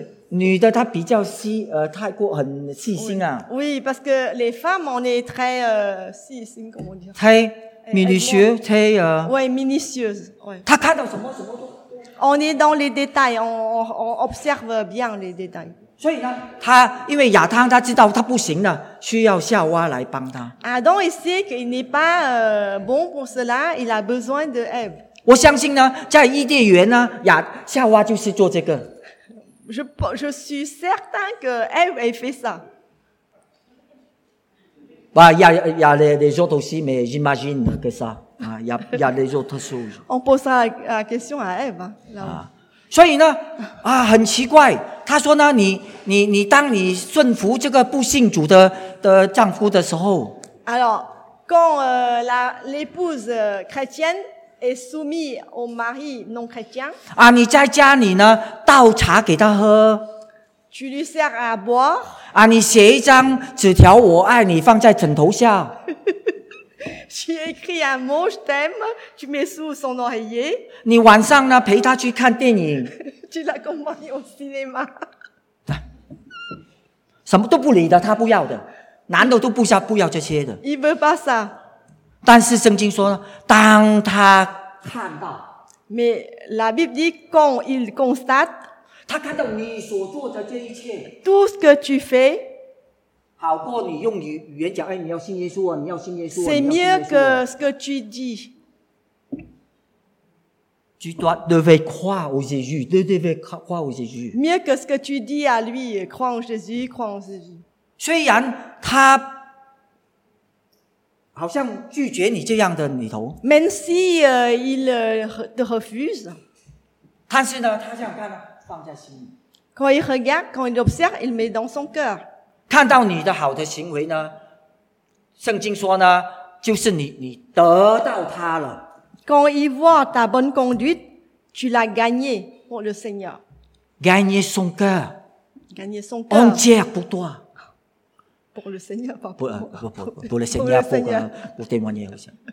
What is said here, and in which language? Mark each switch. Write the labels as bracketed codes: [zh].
[zh] 女的她比较细，太过很细心啊。 [fr] Oui, parce que les femmes on est très [zh] 细心，怎么讲？太 [fr] minutieux, [zh] 太 [fr] Oui, minutieuse. [zh] 她看到什么什么都。 [fr] On est dans les détails, on observe bien les détails. [zh] 所以呢，她因为亚当她知道她不行了，需要夏娃来帮她。 [fr] Adam sait qu'il n'est pas bon pour cela, il a besoin de Eve. [zh] 我相信呢，在伊甸园呢，夏娃就是做这个。 [fr] Je suis certain que Eve a fait ça. Bah, il y a les autres aussi, mais j'imagine que ça. Il y a les autres choses. On pose la question à Eve. 啊， [zh] 所以呢，啊，很奇怪。他说呢，你当你顺服这个不信主的丈夫的时候。 [fr] Alors, quand l'épouse chrétienne. Est soumis au mari non chrétien. [zh] 啊，你在家里呢，倒茶给他喝。 [fr] Tu lui sers à boire. [zh] 啊，你写一张纸条，我爱你，放在枕头下。 [fr] Tu écris un mot, je t'aime. Tu mets sous son oreiller. [zh] 你晚上呢，陪他去看电影。 [fr] Tu l'accompagnes au cinéma. [zh] 什么都不理的，他不要的，男的都不要这些的。 [fr] Il veut pas ça. [zh] 但是圣经说，当他看到 [fr] ，Mais la Bible dit quand il constate， [zh] 他看到你所做的这一切 [fr] ，tout ce que tu fais， [zh] 好过你用语言讲，哎，你要信耶稣啊，你要信耶稣啊 [fr] ，C'est mieux que ce que tu dis。 Tu dois devais croire au Jésus, tu devais croire au Jésus。 Mieux que ce que tu dis à lui, crois en Jésus, crois en Jésus。 [zh] 虽然他。好像拒绝你这样的里头。 [fr] Même si il te refuse. [zh] 但是呢，他这样看呢，放在心里。 [fr] Quand il regarde, quand il observe, il met dans son cœur. [zh] 看到你的好的行为呢，圣经说呢，就是你得到他了。 [fr] Quand il voit ta bonne conduite, tu l'as gagné pour le Seigneur. Gagner son cœur. Gagner son cœur. Entière pour toi. Pour le Seigneur, pas pour moi. Pour le Seigneur, pour témoigner aussi.